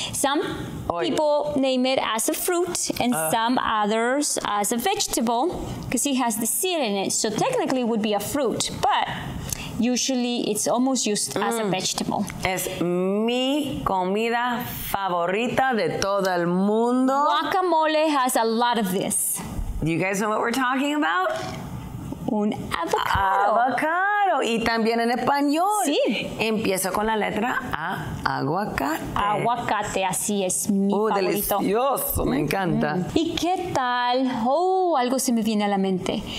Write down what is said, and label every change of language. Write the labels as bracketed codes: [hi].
[en] Some people name it as a fruit and some others as a vegetable because it has the seed in it. So technically it would be a fruit, but usually it's almost used as a vegetable. [es] Es mi comida favorita de todo el mundo. [en] Guacamole has a lot of this. Do you guys know what we're talking about? [es] Un avocado. Avocado. Y también en español. Sí. Empiezo con la letra A, aguacate. Aguacate, así es mi favorito. Delicioso, me encanta. Mm. ¿Y qué tal? Oh, algo se me viene a la mente.